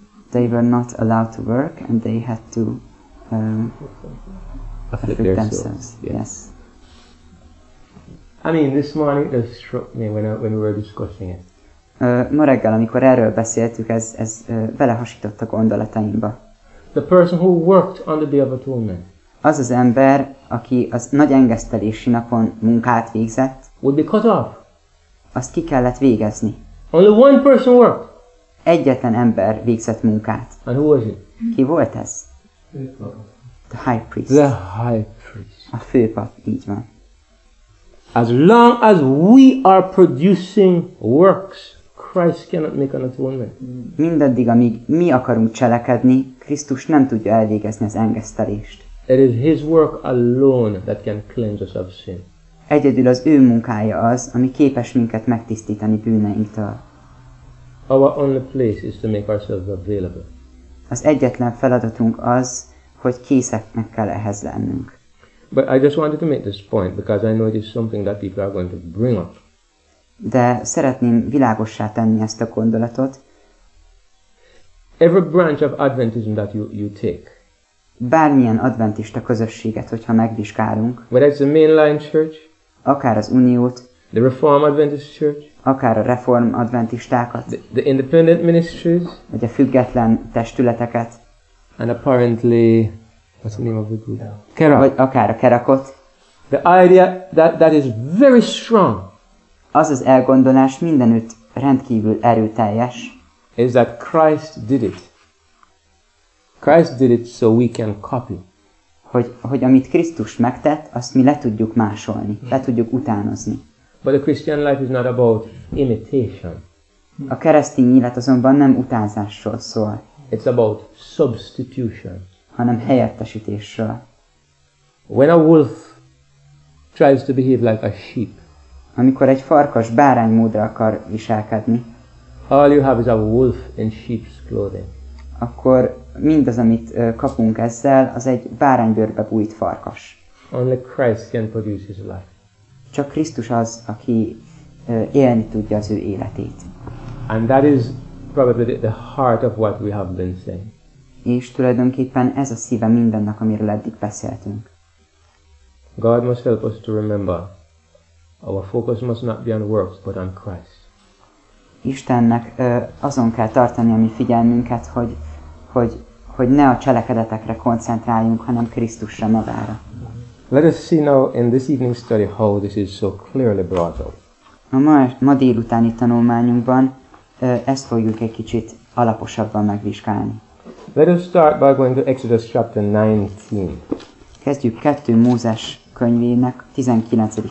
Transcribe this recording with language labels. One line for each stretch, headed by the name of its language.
English: They were not allowed to work, and they had to afflict themselves. Yes. I mean, this morning it struck me when we were discussing it.
Hungarian: Ma reggel, amikor erről beszéltük, ez vele hasított a gondolataimba.
English: The person who worked on the Day of Atonement.
Hungarian: Az az ember, aki az nagy engesztelési napon munkát végzett.
English: Would be cut off.
Hungarian: Azt ki kellett végezni.
English: Only one person worked.
Hungarian: Egyetlen ember végzett munkát.
English: And who was it?
Hungarian: Ki volt ez?
English: The high priest. The high priest.
Hungarian: A főpap, így van.
English: As long as we are producing works, Christ cannot make an atonement.
Hungarian: Mindaddig, amíg mi akarunk cselekedni, Krisztus nem tudja elvégezni az engesztelést.
English: It is his work alone that can cleanse us of sin.
Hungarian: Egyedül az ő munkája az, ami képes minket megtisztítani bűneinktől.
English: Our only place is to make ourselves available.
Hungarian: Az egyetlen feladatunk az, hogy készeknek kell ehhez lennünk.
English: But I just wanted to make this point because I know it is something that people are going to bring up.
Hungarian: De szeretném világossá tenni ezt a gondolatot.
English: Every branch of Adventism that you take.
Hungarian: Bármilyen adventista közösséget, hogyha megvizsgálunk.
English: Whether it's the mainline church.
Hungarian: Akár az Uniót.
English: The Reform Adventist Church.
Hungarian: Akár a Reform Adventistákat.
English: The independent ministries.
Hungarian: Vagy a független testületeket.
English: And apparently, what's the name of the group?
Hungarian: Kerak. Vagy akár a Kerakot.
English: The idea that is very strong.
Hungarian: Az az elgondolás mindenütt rendkívül erőteljes.
English: Is that Christ did it. Christ did it so we can copy.
Hungarian: Hogy amit Krisztus megtett, azt mi le tudjuk másolni, le tudjuk utánozni.
English: But the Christian life is not about imitation.
Hungarian: A keresztény élet azonban nem utánzásról szól.
English: It's about substitution.
Hungarian: Hanem helyettesítésről.
English: When a wolf tries to behave like a sheep.
Hungarian: Amikor egy farkas báránymódra akar viselkedni.
English: All you have is a wolf in sheep's clothing.
Hungarian: Akkor mindaz, amit kapunk ezzel, az egy báránybőrbe bújt farkas.
English: Only Christ can produce his life.
Hungarian: Csak Krisztus az, aki élni tudja az ő életét.
English: And that is probably the heart of what we have been saying.
Hungarian: És tulajdonképpen ez a szíve mindennek, amiről eddig beszéltünk.
English: God must help us to remember. Our focus must not be on works, but on Christ.
Hungarian: Istennek azon kell tartani a mi figyelmünket, hogy ne a cselekedetekre koncentráljunk, hanem Krisztusra magára.
English: Let us see now in this evening study how this is so clearly brought out.
Hungarian: A ma délutáni tanulmányunkban ezt fogjuk egy kicsit alaposabban megvizsgálni.
English: Let us start by going to Exodus chapter 19.
Hungarian: Kezdjük 2 Mózes könyvének 19.